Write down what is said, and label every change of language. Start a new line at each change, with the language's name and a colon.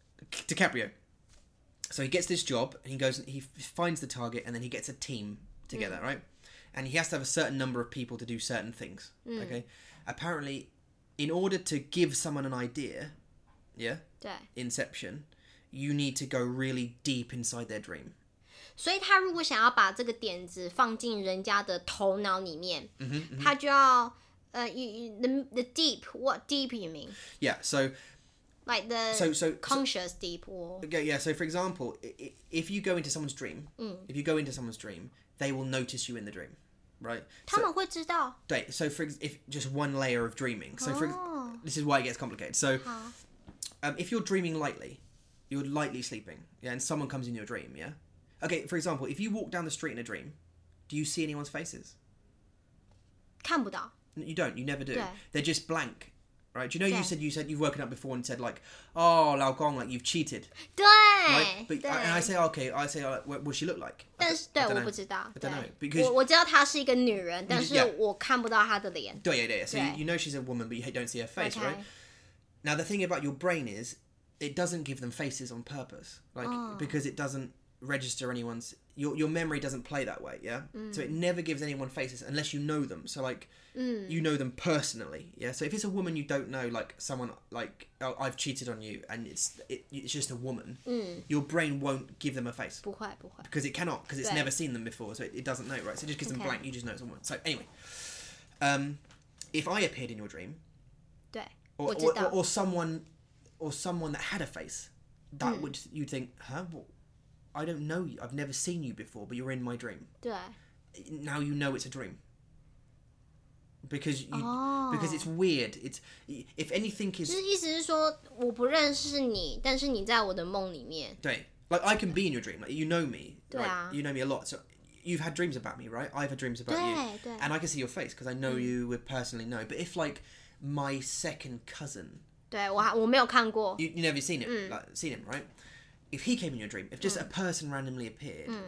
English: DiCaprio. So he gets this job, and he goes, and he finds the target, and then he gets a team together, right? And he has to have a certain number of people to do certain things, okay? Apparently, in order to give someone an idea, yeah?
Chinese: 对.
English: Inception, you need to go really deep inside their dream.
Chinese: 所以他如果想要把这个点子放进人家的头脑里面,
English: mm-hmm,
Chinese: 他就要,
English: the deep, what deep you mean? Yeah, so... Like the conscious deep or... Okay, yeah, so for example, if you go into someone's dream, if you go into someone's dream, they will notice you in the dream, right?
Chinese: 他们会知道?
English: So, 对, so for if just one layer of dreaming. So for this is why it gets complicated. So if you're dreaming lightly, you're lightly sleeping, yeah, and someone comes in your dream, yeah? Okay, for example, if you walk down the street in a dream, do you see anyone's faces?
Chinese: 看不到.
English: You don't, you never do. They're just blank, right? Do you know you said you've woken up before and said like, oh, 老公, like you've cheated.
Chinese: 对!
English: Right? But I say, what does she look like?
Chinese: 但是,对,我不知道。我知道她是一个女人,但是我看不到她的脸。对,
English: yeah, yeah, yeah. So you know she's a woman, but you don't see her face, right? Now, the thing about your brain is, it doesn't give them faces on purpose. Like, because it doesn't... register anyone's your memory doesn't play that way, yeah? So it never gives anyone faces unless you know them. So like you know them personally, yeah? So if it's a woman you don't know, like someone like I've cheated on you and it's just a woman, your brain won't give them a face.
Chinese: 不会。
English: Because it cannot, because it's never seen them before, so it doesn't know, right? So it just gives them blank, you just know it's a woman. So anyway, if I appeared in your dream, or someone that had a face, that would you'd think, huh? Well, I don't know you. I've never seen you before, but you're in my dream.
Chinese: 对.
English: Now you know it's a dream. Because you,、oh. because it's weird. It's, if anything is...
Chinese: 就是意思是说我不认识你但是你在我的梦里面。
English: 对。Like, I can be in your dream. Like, you know me.
Chinese: 对啊。
English: Like, you know me a lot. So, you've had dreams about me, right? I've had dreams about
Chinese: 对,
English: you.
Chinese: 对。
English: And I can see your face because I know、mm. you would personally know. But if, like, my second cousin...
Chinese: 对, 我没有看过。
English: You never seen him,、mm. like, seen him, right? If he came in your dream, if just、mm. a person randomly appeared,、mm.